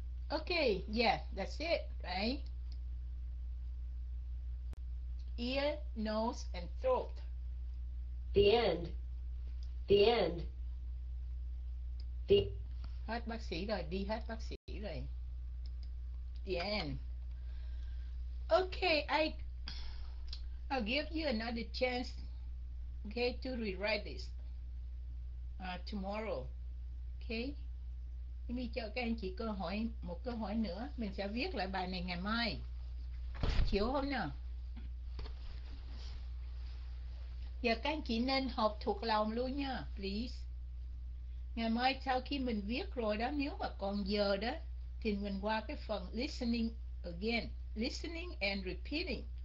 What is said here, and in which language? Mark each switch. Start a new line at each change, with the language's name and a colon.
English: Okay, yeah, that's it, right? Ear, nose and throat. The end. The end. The
Vietnamese: hết bác sĩ rồi, đi hết bác sĩ rồi.
English: The end. Okay, I'll give you another chance, okay, to rewrite this tomorrow, okay? Let me
Vietnamese: cho các anh chị cơ hội, một cơ hội nữa. Mình sẽ viết lại bài này ngày mai. Chịu không nào? Giờ các anh chị nên học thuộc lòng luôn nha, please. Ngày mai sau khi mình viết rồi đó, nếu mà còn giờ đó, thì mình qua cái phần
English: listening again, listening and repeating.